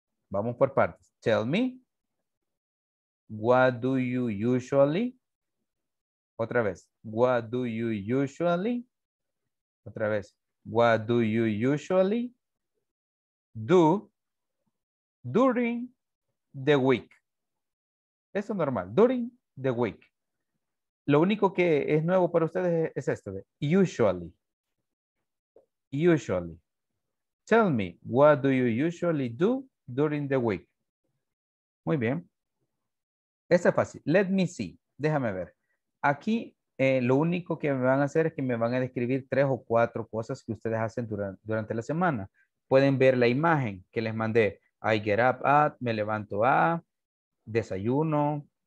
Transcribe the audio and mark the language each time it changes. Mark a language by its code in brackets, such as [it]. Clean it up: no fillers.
[es] Vamos por partes. [en] Tell me. What do you usually? [es] Otra vez. [en] What do you usually? [es] Otra vez. [en] What do you usually do during the week? [es] Eso es normal. [en] During the week. [es] Lo único que es nuevo para ustedes es esto. [en] Usually. Usually. Tell me, what do you usually do during the week? [es] Muy bien. Esta es fácil. [en] Let me see. [es] Déjame ver. Aquí lo único que me van a hacer es que me van a describir tres o cuatro cosas que ustedes hacen durante la semana. Pueden ver la imagen que les mandé. [en] I get up at, [es] me levanto a, desayuno,